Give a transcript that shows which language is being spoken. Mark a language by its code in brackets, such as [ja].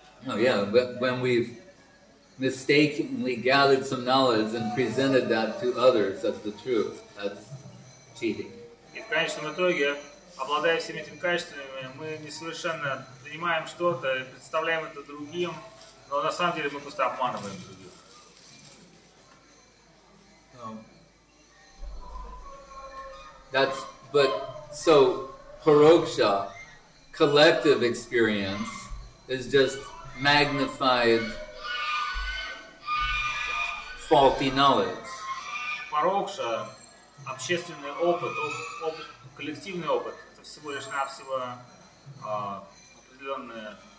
[en] Oh yeah, when we've mistakenly gathered some knowledge and presented that to others, that's the truth. That's cheating. [ru] И в конечном итоге, обладая всеми этими качествами, мы несовершенно принимаем что-то и представляем это другим, но на самом деле мы просто обманываем других. [en] So paroksha, collective experience, is just magnified faulty knowledge. [ru] Парокша, общественный опыт, коллективный опыт, это всего лишь навсего определенное.